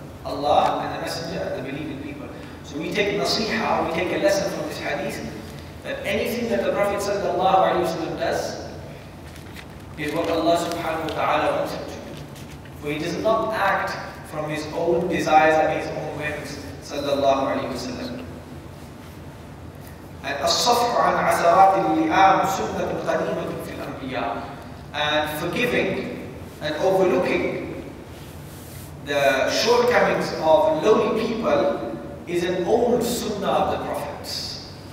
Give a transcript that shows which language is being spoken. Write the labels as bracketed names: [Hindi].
[English] Allah and the Messenger and the believing people. So we take nasiha, we take a lesson from this hadith, that anything that the Prophet ﷺ does is what Allah [Arabic] subhanahu wa ta'ala [English] wants him to do. For he does not act from his own desires and his own whims. [Arabic] Sallallahu alayhi wa sallam. الصفح عن عثرات اللئام سنة قديمة في الأنبياء. [English] And forgiving and overlooking the shortcomings of lowly people is an old sunnah of the prophets.